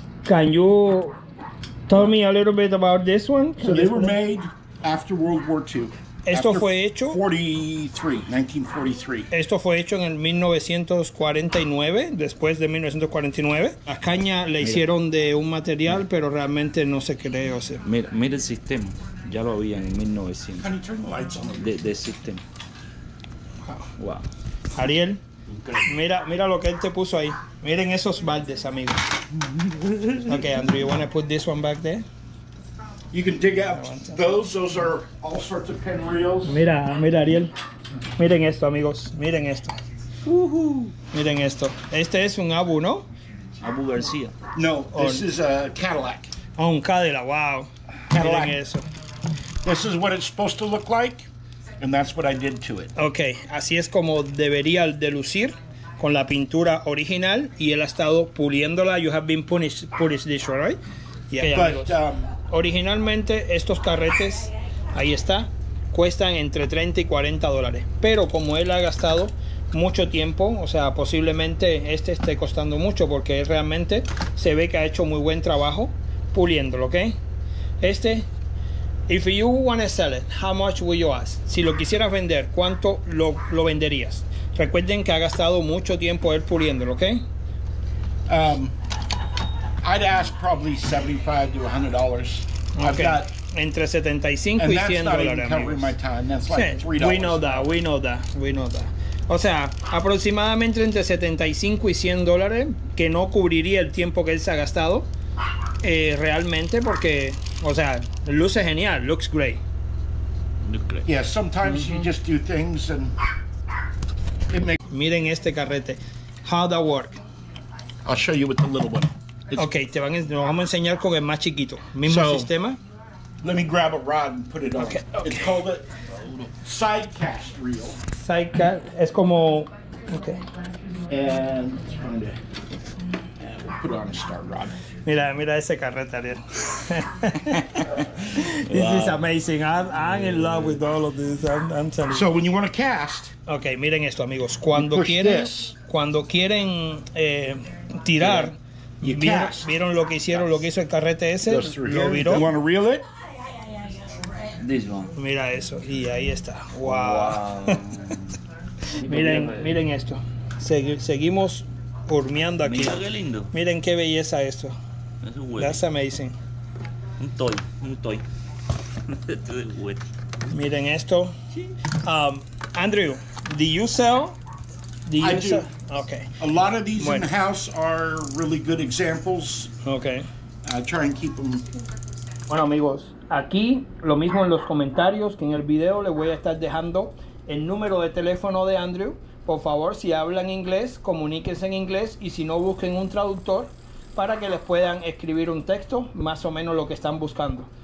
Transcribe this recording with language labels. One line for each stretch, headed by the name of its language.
English: Can you tell me a little bit about this one? So they were made after World War II.
Spanish: Esto fue hecho 1943. Esto fue hecho en el 1949, después de 1949. La caña la hicieron de un material, pero realmente no se cree, o sea. Mira, mira el sistema. Ya lo habían en 1900.
English: Can you turn the lights on?
Spanish: De sistema. Wow. Ariel, mira, mira lo que él te puso ahí. Miren esos baldes, amigos.
English: Okay, Andrew, you want to put this one back there? You can dig out those are all sorts of pin reels.
Spanish: Mira, mira, Ariel. Miren esto, amigos. Miren esto. Miren esto. Este es un Abu, ¿no? Abu García.
English: No, this is a Cadillac.
Spanish: Oh, un Cadillac, wow. Cadillac. Miren eso.
English: This is what it's supposed to look like, and that's what I did to it.
Spanish: Okay, así es como debería de lucir con la pintura original, y él ha estado puliéndola.
English: You have been punished this one, right? Yeah. But
Spanish: Originalmente estos carretes, ahí está, cuestan entre 30 y 40 dólares, pero como él ha gastado mucho tiempo, o sea, posiblemente este esté costando mucho, porque realmente se ve que ha hecho muy buen trabajo puliéndolo, ¿ok?
English: Este, if you want to sell it, how much will you ask?
Spanish: Si lo quisieras vender, ¿cuánto lo venderías? Recuerden que ha gastado mucho tiempo él puliéndolo, ¿ok?
English: I'd ask probably $75 to $100.
Spanish: Okay.
English: I've got
Spanish: entre 75 y 100 dólares.
English: Like we know that, we know that, we know that.
Spanish: O sea, aproximadamente entre 75 y 100 dólares, que no cubriría el tiempo que él se ha gastado, realmente, porque, o sea, luce genial,
English: looks great. Yeah, sometimes you just do things and it makes.
Spanish: Miren este carrete.
English: How that work? I'll show you with the little one.
Spanish: Nos vamos a enseñar con el más chiquito. Mismo sistema.
English: Let me grab a rod and put it on. Okay. It's called a side cast reel. Side cast.
Spanish: Es como.
English: Okay. And let's find it. And we'll put it on a start rod.
Spanish: Mira ese carrete, Ariel.
English: This is amazing. I'm in love with all of this. I'm telling you. So when you want to cast.
Spanish: Okay, miren esto, amigos. Cuando quieren tirar. Yeah. ¿Vieron lo que hicieron, lo que hizo el carrete ese? Lo viró.
English: You want to reel it? This one.
Spanish: Mira eso, y ahí está. Wow. miren esto. Seguimos hurmeando aquí. Mira qué lindo. Miren qué belleza esto.
English: That's amazing.
Spanish: Un toy. Miren esto.
English: Andrew, do you sell? Okay. A lot of these in the house are really good examples. Okay. I try and keep them.
Spanish: Bueno, amigos, aquí lo mismo en los comentarios que en el video, le voy a estar dejando el número de teléfono de Andrew. Por favor, si hablan inglés, comuníquense en inglés, y si no, busquen un traductor para que les puedan escribir un texto, más o menos lo que están buscando.